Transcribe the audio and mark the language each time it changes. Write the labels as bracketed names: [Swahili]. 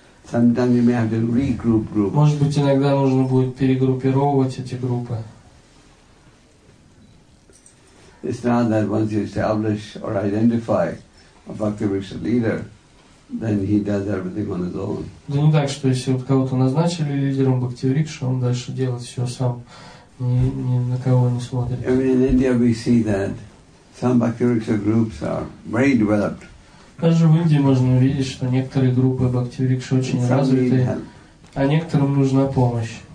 [Russian] Может быть, иногда нужно будет перегруппировать эти группы. [English] It's not that once you establish or identify a bhakti riksha leader, then he does everything on his own. [Russian] Да не так, что если вот кого-то назначили лидером бхакти рикши, он дальше делает все сам, ни на кого не смотрит. [English] I mean, in India we see that some bhakti riksha groups are very developed. [Russian] Даже в Индии можно увидеть, что некоторые группы бхакти рикши очень развиты, а некоторым нужна помощь.